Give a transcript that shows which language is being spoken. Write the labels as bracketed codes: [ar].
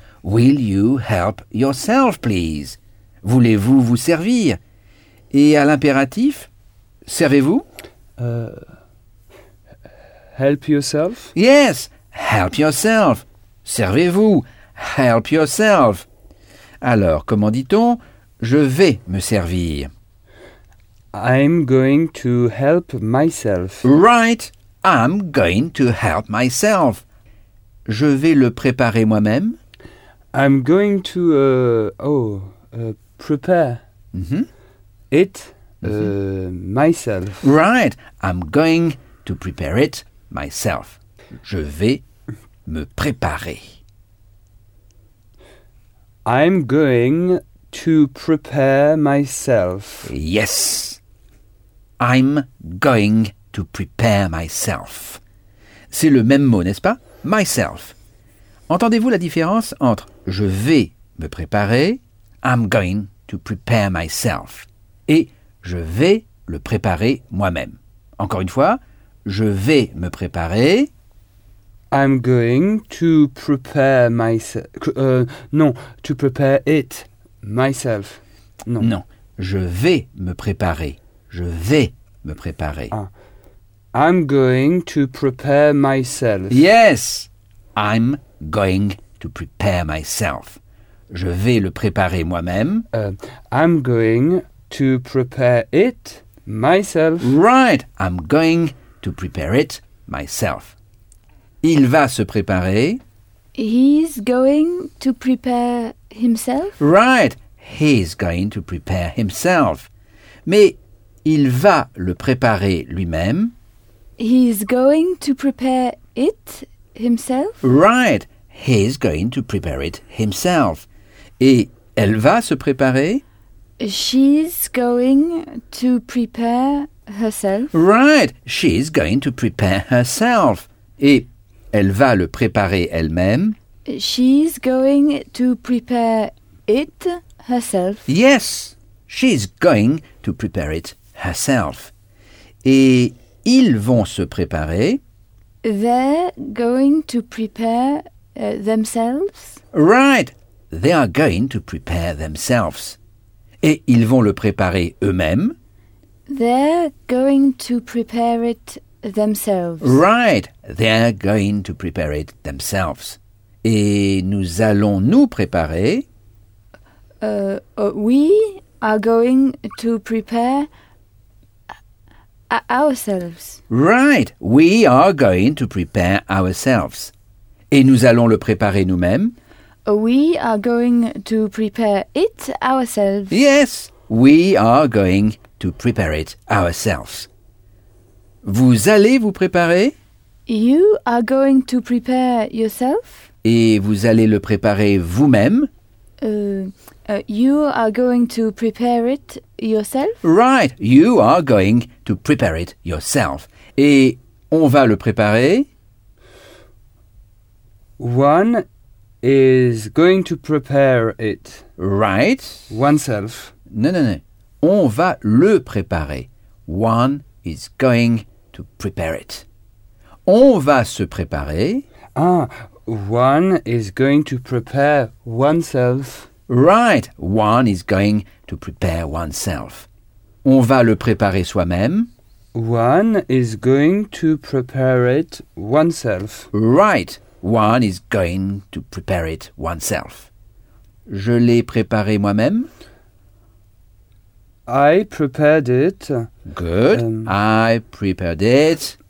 [en] Will you help yourself, please? [fr] Voulez-vous vous servir? Et à l'impératif, servez-vous? [en] Help yourself? Yes, help yourself. [fr] Servez-vous, [en] help yourself. [fr] Alors, comment dit-on? Je vais me servir. [en] I'm going to help myself. Right, I'm going to help myself. [fr] Je vais le préparer moi-même. [en] I'm going to prepare. Mm-hmm. It mm-hmm. myself. Right. I'm going to prepare it myself. [fr] Je vais me préparer. [en] I'm going to prepare myself. Yes. I'm going to prepare myself. [fr] C'est le même mot, n'est-ce pas? Myself. Entendez-vous la différence entre je vais me préparer, [en] I'm going to prepare myself. [fr] Et je vais le préparer moi-même. Encore une fois, je vais me préparer. [en] I'm going to prepare myself. To prepare it myself. Non. [fr] Non. Je vais me préparer. Je vais me préparer. Ah. [en] I'm going to prepare myself. Yes. I'm going to prepare myself. [fr] Je vais le préparer moi-même. [en] I'm going to prepare it myself. Right, I'm going to prepare it myself. [fr] Il va se préparer. [en] He's going to prepare himself. Right, he's going to prepare himself. [fr] Mais il va le préparer lui-même. [en] He's going to prepare it himself. Right, he's going to prepare it himself. [fr] Et elle va se préparer. [en] She's going to prepare herself. Right, she's going to prepare herself. [fr] Et elle va le préparer elle-même. [en] She's going to prepare it herself. Yes, she's going to prepare it herself. [fr] Et ils vont se préparer. [en] They're going to prepare themselves. Right, they are going to prepare themselves. [fr] Et ils vont le préparer eux-mêmes. [en] They're going to prepare it themselves. Right, they're going to prepare it themselves. [fr] Et nous allons nous préparer. [en] We are going to prepare ourselves. Right. We are going to prepare ourselves. [fr] Et nous allons le préparer nous-mêmes. [en] We are going to prepare it ourselves. Yes, we are going to prepare it ourselves. [fr] Vous allez vous préparer? [en] You are going to prepare yourself. [fr] Et vous allez le préparer vous-même? [en] You are going to prepare it yourself. Right, you are going to prepare it yourself. [fr] Et on va le préparer? [en] One is going to prepare it. Right. Oneself. [fr] Non, non, non. On va le préparer. [en] One is going to prepare it. [fr] On va se préparer. [en] Ah, one is going to prepare oneself. Right. One is going to prepare oneself. [fr] On va le préparer soi-même. [en] One is going to prepare it oneself. Right. One is going to prepare it oneself. [fr] Je l'ai préparé moi-même. [en] I prepared it. Good. I prepared it.